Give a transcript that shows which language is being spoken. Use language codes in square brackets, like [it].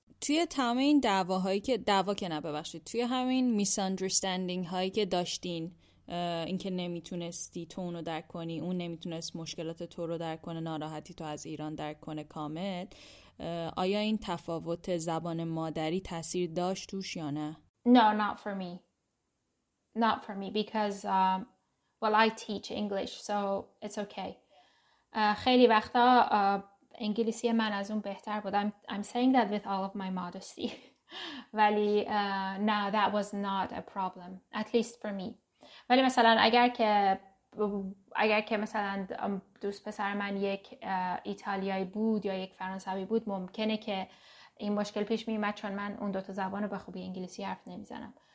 [fa] توی تمام این دعواهایی که دعوا که نببخشید، توی همین میساندرستندینگ هایی که داشتین، اینکه نمیتونستی تو اونو درک کنی، اون نمیتونست مشکلات تو رو درک کنه، ناراحتی تو از ایران درک کنه کامل، آیا این تفاوت زبان مادری تاثیر داشت توش یا نه؟ [en] No, not for me because I teach English, so it's okay. [fa] خیلی وقتا انگلیسی من از اون بهتر بود. [en] I'm saying that with all of my modesty. [fa] ولی نه، [en] that was not a problem, at least for me. [fa] ولی مثلا اگر که مثلا دوست پسر من یک ایتالیایی بود یا یک فرانسوی بود، ممکنه که این مشکل پیش می اومد، چون من اون دوتا زبان رو به خوبی انگلیسی حرف نمیزنم.